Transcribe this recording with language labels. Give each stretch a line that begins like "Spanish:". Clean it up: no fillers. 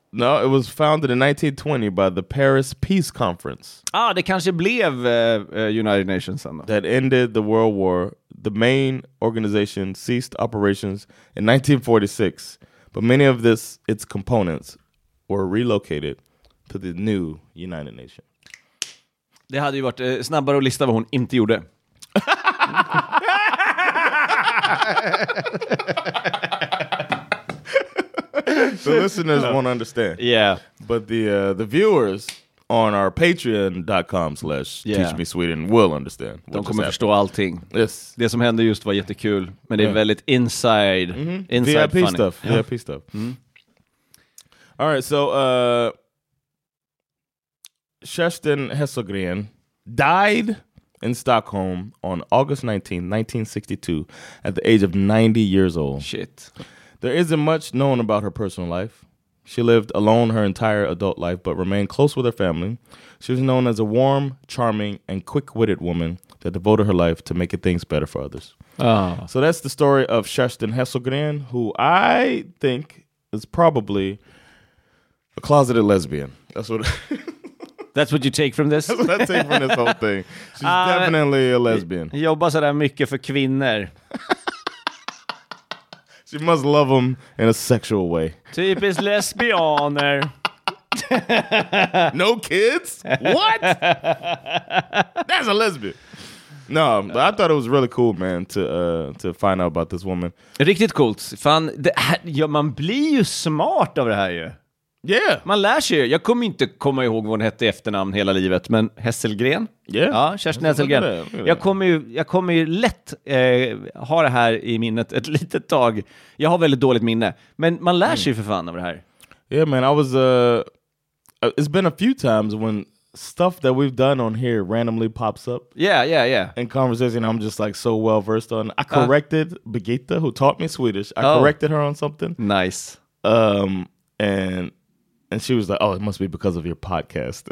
English: No, it was founded in 1920 by the Paris Peace Conference.
Swedish: Ah, det kanske blev United Nations sen då.
English: That ended the World War. The main organization ceased operations in 1946, but many of its components were relocated to the new United Nations.
Swedish: Det hade ju varit snabbare att lista vad hon inte gjorde.
English: The listeners won't understand. Yeah. But the viewers on our patreon.com/teachmesweden will understand.
Swedish: De kommer förstå allting.
English: Yes.
Swedish: Det som hände just var jättekul. Men det är väldigt inside
English: VIP funny. Stuff. Yeah. VIP stuff. Mm. All right, so Kerstin Hesselgren died in Stockholm on August 19, 1962 at the age of 90 years old. Shit. There isn't much known about her personal life. She lived alone her entire adult life, but remained close with her family. She was known as a warm, charming, and quick-witted woman that devoted her life to making things better for others. Oh. So that's the story of Kerstin Hesselgren, who I think is probably a closeted lesbian. That's what... That's what you take from this? That's what I take from this whole thing. She's definitely a lesbian.
Swedish: Jobbar sådär mycket för kvinnor.
English: She must love him in a sexual way.
Swedish: Typiskt lesbianer.
English: No kids? What? That's a lesbian. No, but I thought it was really cool, man, to find out about this woman.
Swedish: Riktigt coolt. Fan, det här, ja, man blir ju smart av det här ju.
English: Yeah.
Swedish: Man lär sig ju. Jag kommer inte komma ihåg vad hon hette efternamn hela livet, men Hesselgren.
English: Yeah.
Swedish: Ja, Kerstin Hesselgren. Jag kommer ju lätt ha det här i minnet ett litet tag. Jag har väldigt dåligt minne, men man lär sig ju för fan av det här.
English: Yeah, man, I was it's been a few times when stuff that we've done on here randomly pops up. Yeah, yeah, yeah. In conversation, I'm just like so well versed on. I corrected Birgitta, who taught me Swedish. I corrected her on something. Nice. And she was like, "Oh, it must be because of your podcast."